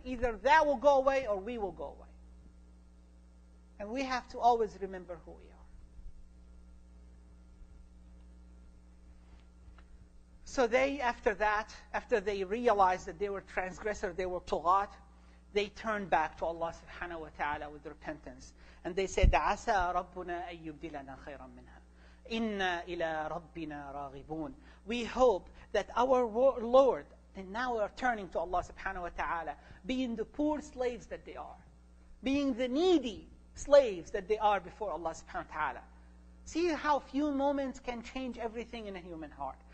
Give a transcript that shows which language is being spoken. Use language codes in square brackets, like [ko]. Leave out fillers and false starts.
[en] Either that will go away or we will go away. And we have to always remember who we are. So they, after that, after they realized that they were transgressors, they were tughat, they turned back to Allah subhanahu wa ta'ala with repentance. And they said, [ar] عَسَى رَبُّنَا أَن يُبْدِلَنَا خَيْرًا مِّنْهَا إِنَّا إِلَىٰ رَبِّنَا رَاغِبُونَ. [en] We hope that our Lord, and now we are turning to Allah subhanahu wa ta'ala, being the poor slaves that they are, being the needy slaves that they are before Allah subhanahu wa ta'ala. See how few moments can change everything in a human heart.